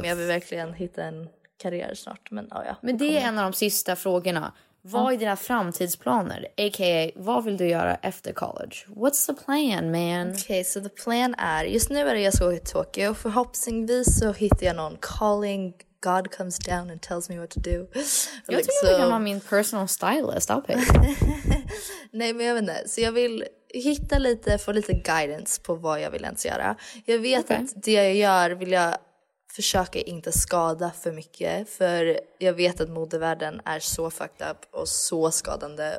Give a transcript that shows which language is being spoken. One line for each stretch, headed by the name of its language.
Swedish: Men jag vill verkligen hitta en karriär snart. Men, oh ja, men det är en av de sista frågorna. Vad är dina framtidsplaner? A.k.a. vad vill du göra efter college?
English: What's the plan, man? Okay, so the plan är...
Swedish: Just nu är det jag ska gå till Tokyo. Och förhoppningsvis så hittar jag någon calling...
English: God comes down and tells me what to do.
Swedish: Jag tycker att jag är min personal stylist.
English: I'll pay.
Swedish: Nej, men jag vet inte. Så jag vill hitta lite, få lite guidance på vad jag vill ens göra. Jag vet att det jag gör vill jag försöka inte skada för mycket. För jag vet att modevärlden är så fucked up och så skadande.